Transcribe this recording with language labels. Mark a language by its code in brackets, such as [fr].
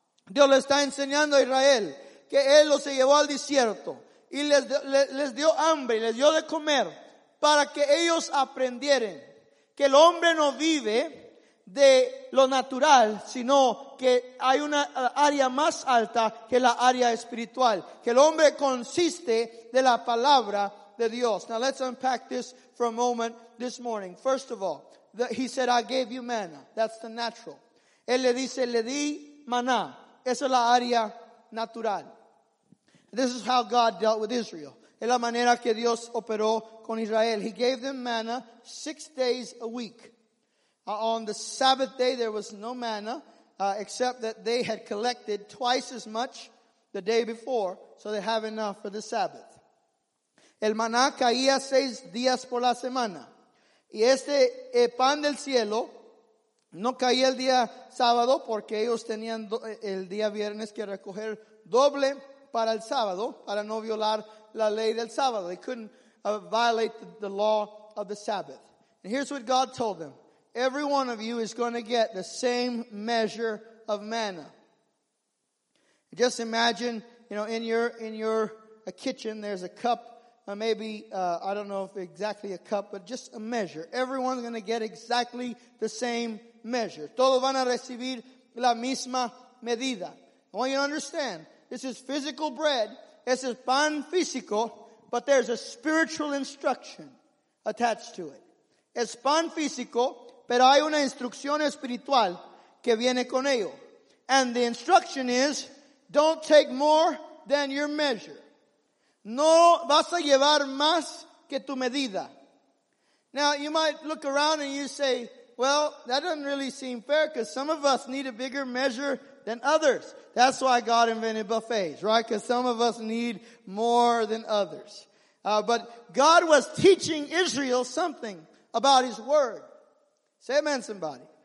[es] Dios le está enseñando a Israel que Él los llevó al desierto y les dio hambre, les dio de comer para que ellos aprendieran que el hombre no vive de lo natural, sino que hay una área más alta que la área espiritual, que el hombre consiste de la palabra de Dios. [en] Now let's unpack this for a moment this morning. First of all, he said, I gave you manna. That's the natural. [es] Él le dice, le di maná. Esa es la área natural. [en] This is how God dealt with Israel. [es] Es la manera que Dios operó con Israel. [en] He gave them manna 6 days a week. On the Sabbath day, there was no manna, except that they had collected twice as much the day before, so they have enough for the Sabbath. [es] El maná caía 6 días por la semana. Y este pan del cielo no caía el día sábado, porque ellos tenían el día viernes que recoger doble para el sábado, para no violar la ley del sábado. [en] They couldn't violate the law of the Sabbath. And here's what God told them. Every one of you is going to get the same measure of manna. Just imagine, you know, in your kitchen, there's a cup, I don't know if exactly a cup, but just a measure. Everyone's going to get exactly the same measure. [es] Todos van a recibir la misma medida. [en] I want you to understand, this is physical bread, this is [es] pan físico, [en] but there's a spiritual instruction attached to it. [es] Es pan físico, pero hay una instrucción espiritual que viene con ello. [en] And the instruction is, don't take more than your measure. [es] No vas a llevar más que tu medida. [en] Now, you might look around and you say, well, that doesn't really seem fair, because some of us need a bigger measure than others. That's why God invented buffets, right? Because some of us need more than others. But God was teaching Israel something about his word. Say amen, somebody.